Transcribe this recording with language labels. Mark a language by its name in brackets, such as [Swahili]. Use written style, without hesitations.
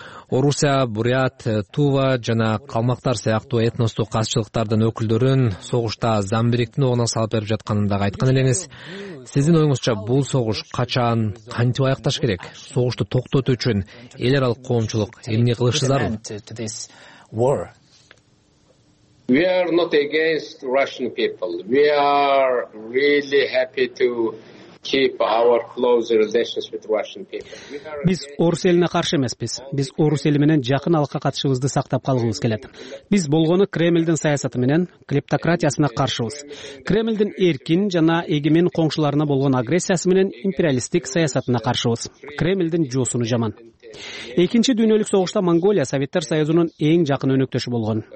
[Kyrgyz] Орусия, Бурят, Тува жана Калмактар сыяктуу этностук казчылыктардын өкүлдөрүн согушта замбириктин ооуна салып берип жатканын дагы айткан элеңиз. Сиздин оюңузча бул согуш качан, кантип аякташ керек? Согушту токтотуу үчүн эл аралык коомчулук эмне кылышы зарыл? [English] We are not against Russian people. We are really happy to keep our close relations with Russian people. [Kyrgyz] Биз орус элине каршы эмеспиз. Биз орус эли менен жакын алакка катышыбызды сактап калгыбыз келет. Биз болгону Кремлдин саясаты менен клептократиясына каршыбыз. Кремлдин эркин жана эгемен коңшуларына болгон агрессиясы менен империалисттик саясатына каршыбыз. Кремлдин жоосуну жаман. Экинчи дүйнөлүк согушта Монголия Советтер Союзунун эң жакын өнөктөшү болгон.